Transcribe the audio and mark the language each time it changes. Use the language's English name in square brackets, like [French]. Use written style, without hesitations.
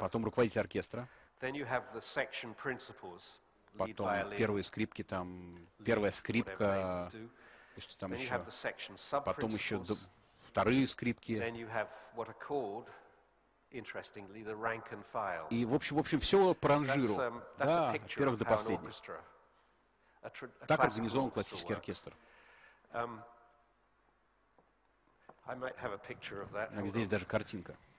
[Russian] Потом руководитель оркестра. [English] Then you have the section principals, [Russian] потом первые скрипки, там, первая скрипка, и что там еще. Потом еще вторые скрипки. [English] Then you have what are called, interestingly, the rank and file. [Russian] И, в общем, все по ранжиру, да, от первых до последних. Так организован классический оркестр. [English] I might have a picture of that. [Russian] Здесь даже картинка.